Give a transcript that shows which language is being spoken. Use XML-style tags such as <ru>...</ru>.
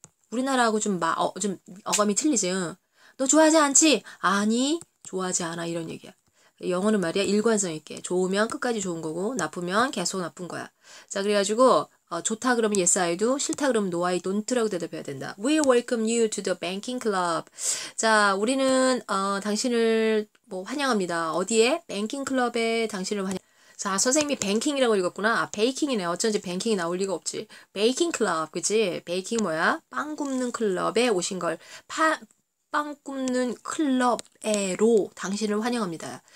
<ko>우리나라하고 좀 어감이 틀리지. 응? 너 좋아하지 않지? 아니. 좋아하지 않아 이런 얘기야. 영어는 말이야 일관성 있게. 좋으면 끝까지 좋은 거고 나쁘면 계속 나쁜 거야. 자, 그래가지고 좋다 그러면</ko> <en>yes I do,</en> <ko>싫다 그러면</ko> <en>no I don't</en> <ko>라고 대답해야 된다.</ko> <en>We welcome you to the banking club.</en> <ko>자, 우리는 당신을 뭐 환영합니다. 어디에? 뱅킹 클럽에 당신을 환영. 자, 선생님이 뱅킹이라고 읽었구나. 아, 베이킹이네. 어쩐지 뱅킹이 나올 리가 없지. 베이킹 클럽, 그치? 베이킹 뭐야? 빵 굽는 클럽에 오신 걸파빵 굽는 클럽에로 당신을 환영합니다.</ko>